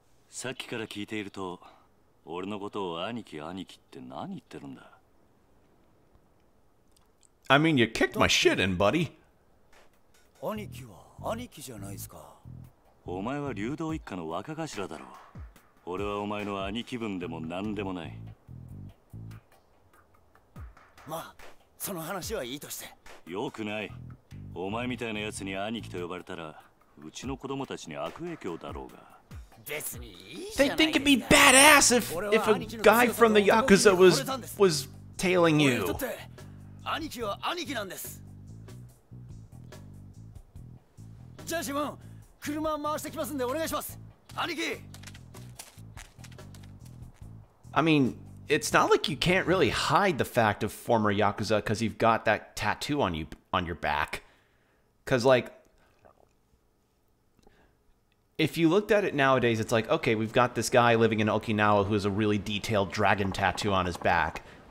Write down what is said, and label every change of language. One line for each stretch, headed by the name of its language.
Japanese: さっきから聞いていると、俺のことを兄貴って何言ってるんだ。
English: I mean, you kicked my shit in, buddy.
Japanese: 兄貴は兄貴じゃないですか。お前は流動一家の若頭だろう。俺はお前の兄貴分でも何でもない。まあ、その話はいいとして。よくない。お前みたいなやつに兄貴と呼ばれたら、うちの子供たちに悪影響だろうが。別にいいじゃないか。
English: They think it'd be badass if a guy from the Yakuza was tailing you.
Japanese: 俺にとって兄貴は兄貴なんです。じゃあシモン、車回してきますんでお願いします。兄貴。
English: I mean, it's not like you can't really hide the fact of former Yakuza because you've got that tattoo on you on your back. Because, like, if you looked at it nowadays, it's like, okay, we've got this guy living in Okinawa who has a really detailed dragon tattoo on his back.